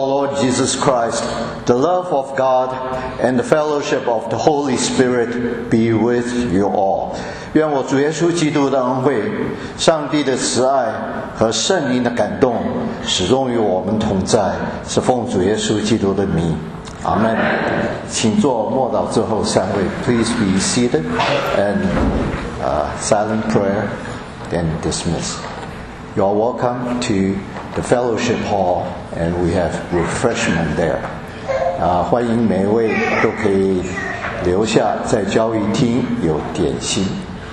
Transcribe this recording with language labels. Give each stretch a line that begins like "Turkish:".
English: The love of God and the fellowship of the Holy Spirit be with you all.
Chinese: 愿我主耶稣基督的恩惠，上帝的慈爱和圣灵的感动始终与我们同在，是奉主耶稣基督的名。 Amen. 请坐，默祷最后三位。
English: Please be seated and silent prayer, then dismiss. You are welcome to the fellowship hall, and we have refreshment there.
Chinese: 欢迎每位都可以留下在交易厅有点心。